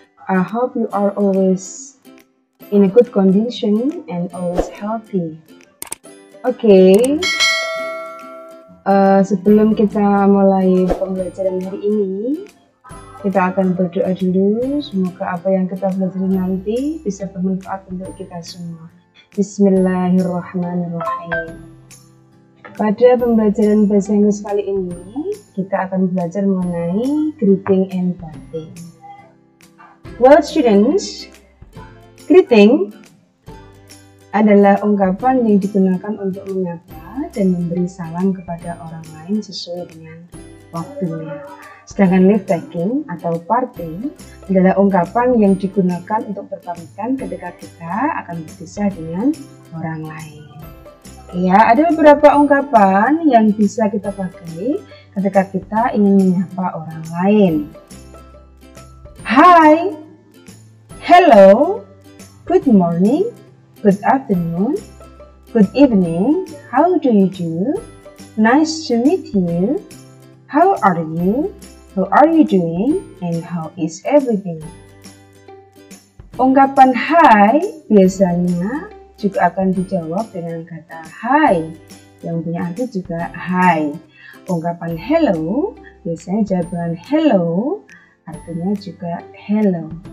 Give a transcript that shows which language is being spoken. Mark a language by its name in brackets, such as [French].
[English] I hope you are always in a good condition and always healthy. Okay. [Indonesian] Sebelum kita mulai pembelajaran hari ini, kita akan berdoa dulu. Semoga apa yang kita pelajari nanti bisa bermanfaat untuk kita semua. Bismillahirrahmanirrahim. Pada pembelajaran bahasa Inggris kali ini, kita akan belajar mengenai [English] greeting and parting. Well, students, [Indonesian] greeting adalah ungkapan yang digunakan untuk menyapa dan memberi salam kepada orang lain sesuai dengan waktunya. Sedangkan leave taking atau parting adalah ungkapan yang digunakan untuk berpamitan ketika kita akan berpisah dengan orang lain. Ya, ada beberapa ungkapan yang bisa kita pakai ketika kita ingin menyapa orang lain. [English] Hi, hello, good morning, good afternoon, good evening, how do you do? Nice to meet you, how are you, how are you doing, and how is everything? [Indonesian] Ungkapan hi biasanya juga akan dijawab dengan kata hi, yang punya arti juga hi. Ungkapan hello, biasanya jawaban hello, artinya juga hello.